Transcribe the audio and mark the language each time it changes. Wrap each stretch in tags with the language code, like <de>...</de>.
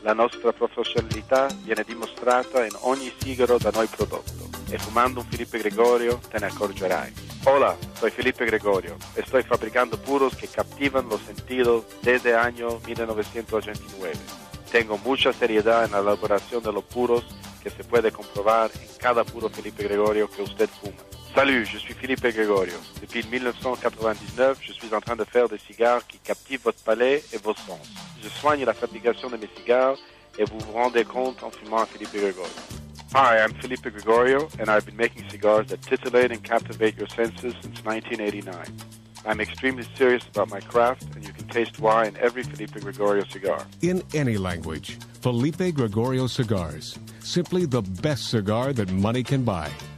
<it>La nostra professionalità viene dimostrata in ogni sigaro da noi prodotto. E fumando un Felipe Gregorio te ne accorgerai.</it> <es>Hola, soy Felipe Gregorio. Estoy fabricando puros que captivan los sentidos desde año 1989. Tengo mucha seriedad en la elaboración de los puros que se puede comprobar en cada puro Felipe Gregorio que usted fuma.</es> <fr>Salut, je suis Felipe Gregorio. Depuis 1999, je suis en train de faire des cigares qui captivent votre palais et vos sens. Je soigne la fabrication de mes cigares et vous vous rendez compte en fumant Felipe Gregorio.</fr> <en>Hi, I'm Felipe Gregorio, and I've been making cigars that titillate and captivate your senses since 1989. I'm extremely serious about my craft, and you can taste why in every Felipe Gregorio cigar. In any language, Felipe Gregorio cigars. Simply the best cigar that money can buy.</en>